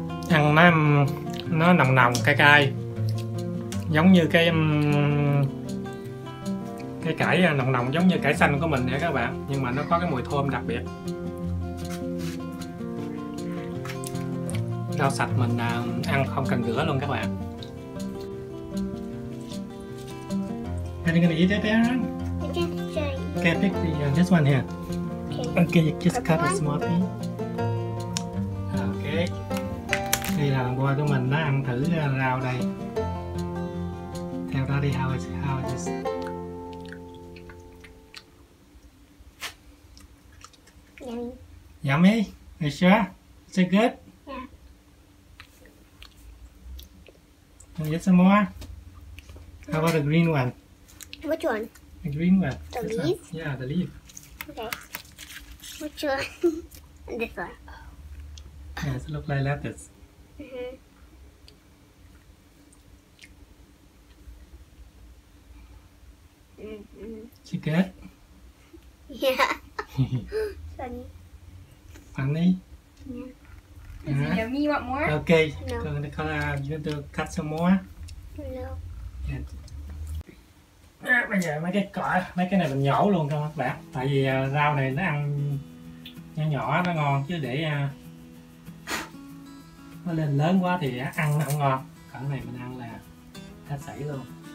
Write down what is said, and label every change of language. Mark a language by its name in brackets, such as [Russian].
[Vietnamese] Ăn nó nồng nồng, cay cay. Giống như cái cái cải nồng nồng giống như cải xanh của mình nha các bạn, nhưng mà nó có cái mùi thơm đặc biệt. Rau sạch mình ăn không cần rửa luôn các bạn. [English] Are you gonna eat it, Aaron? Okay, pick this one here. Okay, you just cut a small piece. Okay. [Vietnamese] Đây là lần qua của mình đã ăn thử rau đây. [English] Tell Daddy how it is. Yummy. Yummy? Are you sure? Is it good? Yeah. Can you get some more? How about the green one? Which one? The green one. The leaf? One. Yeah, the leaf. Okay. Which one? This one. Yeah, it looks like lettuce. Mm-hmm. Is it good? Yeah. Funny. Funny? Yeah. Is it yummy? You want more? Okay. No. So you're going to cut some more? No. Yeah. [Vietnamese] Bây giờ mấy cái cỏ, mấy cái này mình nhổ luôn các bạn. Tại vì rau này nó ăn nhỏ nhỏ nó ngon, chứ để nó lên lớn quá thì ăn nó không ngon. Cỏ này mình ăn là hết sảy luôn.